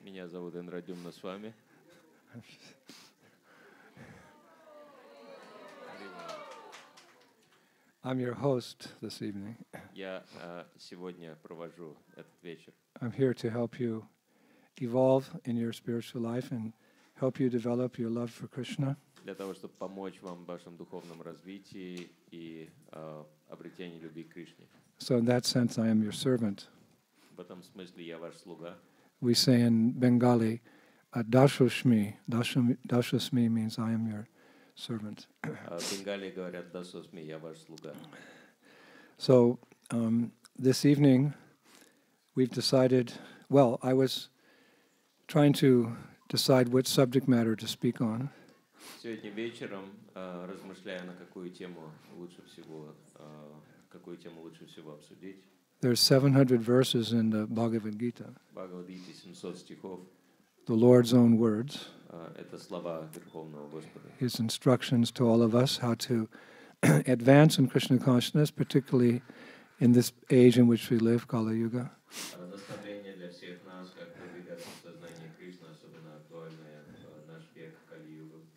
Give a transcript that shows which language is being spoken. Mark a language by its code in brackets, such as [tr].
[ru] Меня зовут Индрадюмна Свами. [en] I'm your host this evening. [ru] Я сегодня провожу этот вечер. [en] I'm here to help you evolve in your spiritual life and help you develop your love for Krishna. [ru] Для того, чтобы помочь вам в вашем духовном развитии и обретении любви к Кришне. [en] So in that sense, I am your servant. [ru] В этом смысле я ваш слуга. [en] We say in Bengali, "Dashushmi." Dashushmi means I am your servant. [ru] Бенгали говорят "Dashushmi," я ваш слуга. [en] So this evening, we've decided. Well, I was trying to decide what subject matter to speak on. [ru] Сегодня вечером размышляя на какую тему лучше всего. Какую тему лучше всего обсудить? [en] There are 700 verses in the Bhagavad Gita. [ru] Бхагавад-гите 700 стихов. [en] The Lord's own words. [ru] Это слова Верховного Господа. [en] His instructions to all of us how to advance in Krishna consciousness, particularly in this age in which we live, Kali-yuga. [ru] Наставление для всех нас, как продвигаться в сознании Кришны, особенно актуальное в наш век, Кали-юга.